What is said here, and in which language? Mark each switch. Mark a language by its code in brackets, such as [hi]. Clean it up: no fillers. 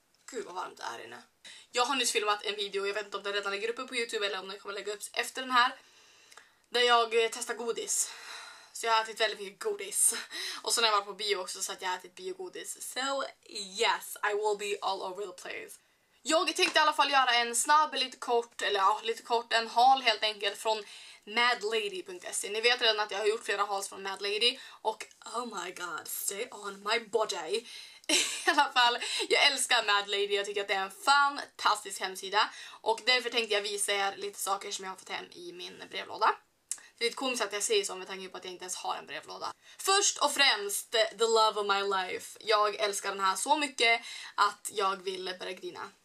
[sv] Gud vad varmt det är inne. Jag har nyss filmat en video, jag vet inte om den redan ligger uppe på YouTube eller om den kommer lägga upp efter den här. Där jag testar godis. Så jag har ätit väldigt mycket godis. Och så när jag var på bio också så att jag ätit biogodis. [en] So yes, I will be all over the place. [sv] Jag tänkte i alla fall göra en snabb, lite kort, eller ja, lite kort, en haul helt enkelt från madlady.se. Ni vet redan att jag har gjort flera hauls från madlady. [en] Och oh my god, stay on my body. [sv] I alla fall, jag älskar madlady. Jag tycker att det är en fantastisk hemsida. Och därför tänkte jag visa er lite saker som jag har fått hem i min brevlåda. Det är lite komiskt att jag säger så med tanke på att jag inte ens har en brevlåda. Först och främst, [en] the love of my life. [sv] Jag älskar den här så mycket att jag vill börja grina.